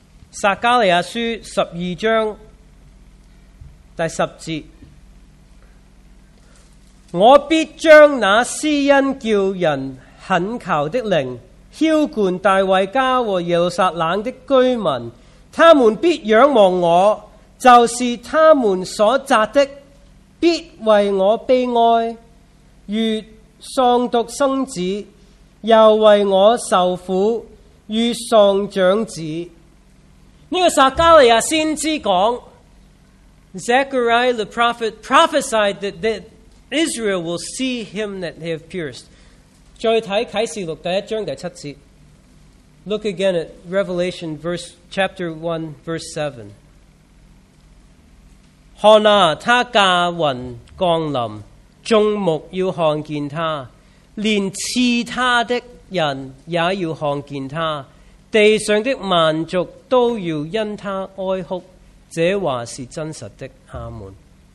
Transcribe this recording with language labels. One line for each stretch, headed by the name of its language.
Chinese: 撒加利亚书12:10我必将那施恩叫人恳求的灵浇灌大卫家和耶路撒冷的居民，他们必仰望我，就是他们所责的必为我悲哀，如丧独生子，又为我受苦与丧长子。这个撒加利亚先知讲
English: Zechariah the prophet prophesied that Israel will see him that they have pierced.
Chinese: 再看启示录第一章第七节。
English: Look again at Revelation chapter 1 verse 7.
Chinese: 看啊，他驾云降临，众目要看见他，连刺他的人也要看见他，地上的万族都要因他哀哭，这话是真实的，阿们。